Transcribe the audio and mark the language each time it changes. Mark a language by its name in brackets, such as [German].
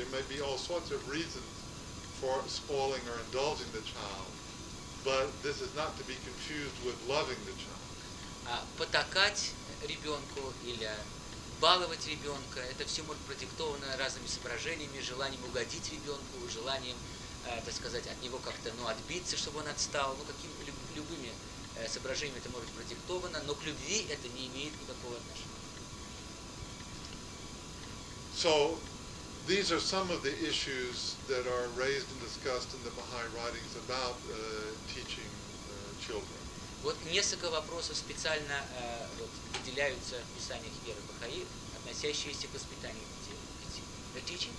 [English] There may be all sorts of reasons for spoiling or indulging the child, but this is not to be confused with loving the child. [Russian] Потакать ребенку или баловать ребенка, это все может продиктовано разными соображениями, желанием угодить ребенку, желанием, так сказать, от него как-то, ну, отбиться, чтобы он отстал, ну, какими любыми соображениями это может быть продиктовано, но к любви это не имеет никакого отношения. [English] So, these are some of the issues that are raised and discussed in the Baha'i writings about teaching children. [Russian] Вот несколько вопросов специально выделяются в писаниях веры Бахаи, относящиеся к воспитанию детей.